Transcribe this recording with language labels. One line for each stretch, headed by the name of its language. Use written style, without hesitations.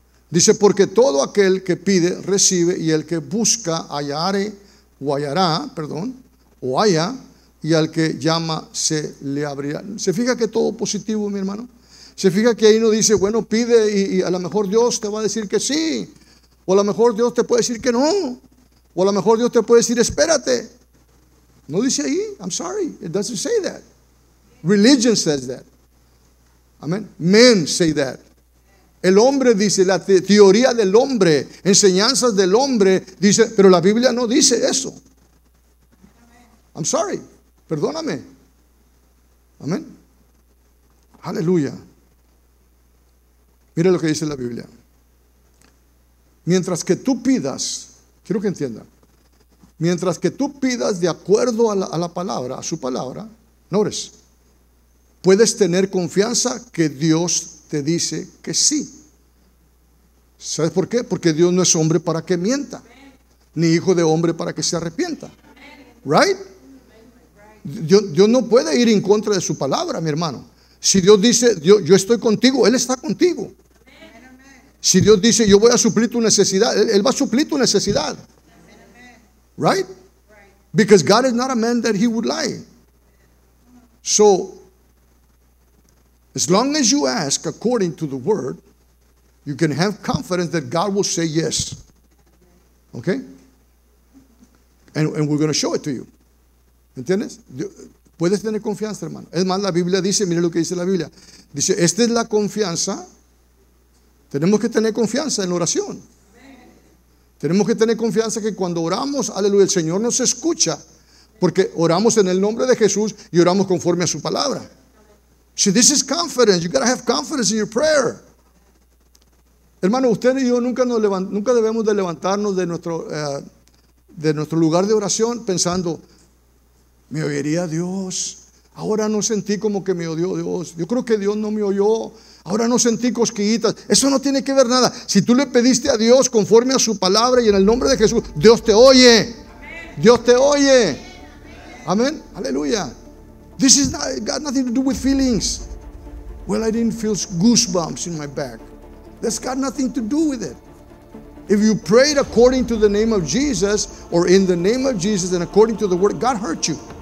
Spanish: Dice, porque todo aquel que pide, recibe, y el que busca, hallare, o hallará, perdón, o halla, y al que llama, se le abrirá. ¿Se fija que todo positivo, mi hermano? ¿Se fija que ahí no dice, bueno, pide y a lo mejor Dios te va a decir que sí, o a lo mejor Dios te puede decir que no, o a lo mejor Dios te puede decir, espérate? No dice ahí,
English: I'm sorry, it doesn't say that. Religion says that. Amen. Men say that.
Spanish: El hombre dice, la teoría del hombre, enseñanzas del hombre, dice, pero la Biblia no dice eso.
English: I'm sorry,
Spanish: perdóname. Amén. Aleluya. Mire lo que dice la Biblia. Mientras que tú pidas, quiero que entiendan, mientras que tú pidas de acuerdo a la palabra, a su palabra, notice, puedes tener confianza que Dios te dice que sí. ¿Sabes por qué? Porque Dios no es hombre para que mienta, ni hijo de hombre para que se arrepienta. Right? Dios no puede ir en contra de su palabra, mi hermano. Si Dios dice, yo estoy contigo, Él está contigo. Si Dios dice, yo voy a suplir tu necesidad, Él va a suplir tu necesidad.
English: Right? Because God is not a man that He would lie. So, as long as you ask according to the word, you can have confidence that God will say yes. Okay? And we're going to show it to you.
Spanish: ¿Entiendes? Puedes tener confianza, hermano. Es más, la Biblia dice, mire lo que dice la Biblia. Dice, esta es la confianza. Tenemos que tener confianza en la oración. Tenemos que tener confianza que cuando oramos, aleluya, el Señor nos escucha. Porque oramos en el nombre de Jesús y oramos conforme a su palabra.
English: So this is confidence. You got to have confidence in your prayer.
Spanish: Hermano, usted y yo nunca debemos de levantarnos de nuestro lugar de oración pensando, ¿me oiría Dios? Ahora no sentí como que me oyó Dios. Yo creo que Dios no me oyó. Ahora no sentí cosquillitas. Eso no tiene que ver nada. Si tú le pediste a Dios conforme a su palabra y en el nombre de Jesús, Dios te oye. Dios te oye. Amén. Aleluya.
English: This is not, got nothing to do with feelings. Well, I didn't feel goosebumps in my back. That's got nothing to do with it. If you prayed according to the name of Jesus or in the name of Jesus and according to the word, God hurt you.